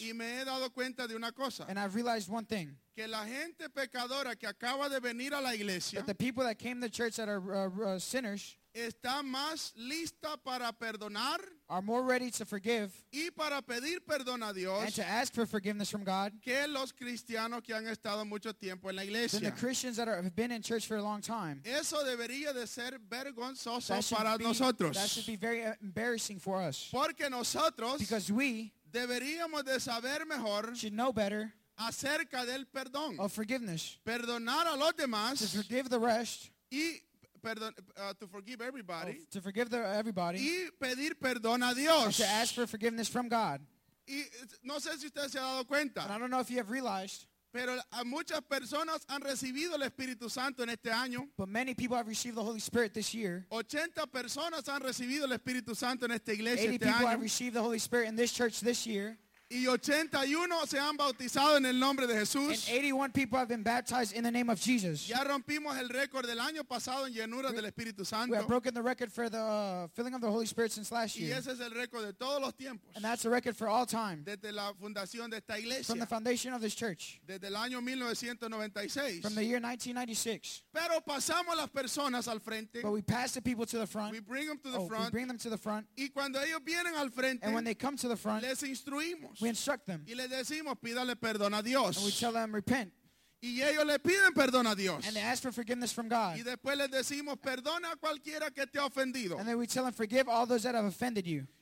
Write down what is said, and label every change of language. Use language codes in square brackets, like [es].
[es] Y me he dado cuenta de una cosa. [en] And I've realized one thing. [es] Que la gente pecadora que acaba de venir a la iglesia. [en] That the people that came to church that are sinners. [es] Está más lista para perdonar. [en] Are more ready to forgive. [es] Y para pedir perdón a Dios. [en] And to ask for forgiveness from God. [es] Que los cristianos que han estado mucho tiempo en la iglesia. [en] Than the Christians that have been in church for a long time. [es] Eso debería de ser vergonzoso para nosotros. [en] That should be very embarrassing for us. [es] Porque nosotros. [en] Because we. [es] Deberíamos de saber mejor. [en] Should know better. [es] Acerca del perdón. [en] Of forgiveness. [es] Perdonar a los demás. [en] To forgive the rest. Y to forgive everybody. Oh, to forgive everybody. [es] Y pedir perdón a Dios. [en] And to ask for forgiveness from God. [es] Y no sé si usted se ha dado cuenta. [en] And I don't know if you have realized. [es] Pero muchas personas han recibido el Espíritu Santo en este año. [en] But many people have received the Holy Spirit this year. [es] 80 personas han recibido el Espíritu Santo en esta iglesia este año. [en] 80 people have received the Holy Spirit in this church this year. [es] Y 81 se han bautizado en el nombre de Jesús. [en] And 81 people have been baptized in the name of Jesus. [es] Ya rompimos el récord del año pasado en llenura del Espíritu Santo. [en] We have broken the record for the filling of the Holy Spirit since last year. [es] Y ese es el récord de todos los tiempos. [en] And that's the record for all time. [es] Desde la fundación de esta iglesia. [en] From the foundation of this church. [es] Desde el año 1996. [en] From the year 1996. [es] Pero pasamos las personas al frente. [en] But we pass the people to the front. We bring them to the front. We bring them to the front. [es] Y cuando ellos vienen al frente. [en] And when they come to the front. [es] Les instruimos. [en] We instruct them. [es] Y le decimos, pídale perdón a Dios. [en] And we tell them, repent. [es] Y ellos le piden perdón a Dios. [en] And they ask for forgiveness from God. [es] Y después les decimos, perdona a cualquiera que te ha ofendido. [en] And then we tell them, forgive all those that have offended you.